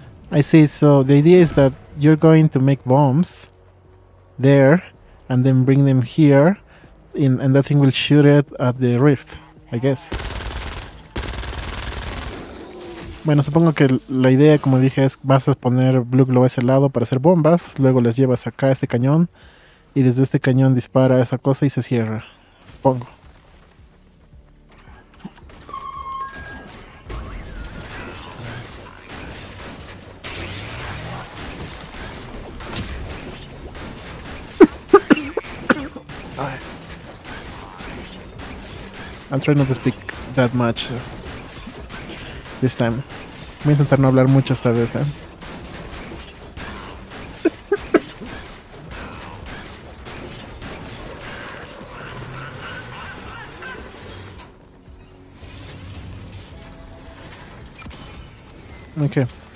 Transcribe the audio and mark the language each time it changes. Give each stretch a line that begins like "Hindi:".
English: I see, so the idea is that you're going to make bombs there and then bring them here in, and that thing will shoot it at the rift, I guess.
Spanish: Bueno, supongo que la idea, como dije, es vas a poner Blue Glow a ese lado para hacer bombas, luego las llevas acá a este cañón y desde este cañón dispara esa cosa y se cierra, supongo.
English: I'm trying not to speak that much this time.
Spanish: Voy a intentar no hablar mucho esta vez, Okay.